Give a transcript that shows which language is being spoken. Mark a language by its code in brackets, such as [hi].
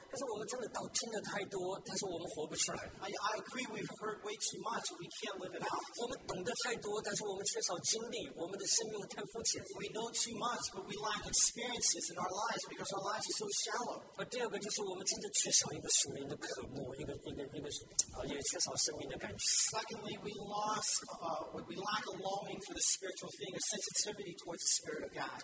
[zh] 可是我们真的听得太多，但是我们活不出来。I [en] agree. We've heard way too much. We can't live it out. [zh] 我们懂得太多，但是我们缺少经历。我们的生命太肤浅。We [en] know too much, but we lack experiences in our lives because our lives are so shallow. [zh] 而第二个就是我们真的缺少一个属灵的渴慕，一个。 [en] Secondly, we lack a longing for the spiritual thing, a sensitivity towards the Spirit of God.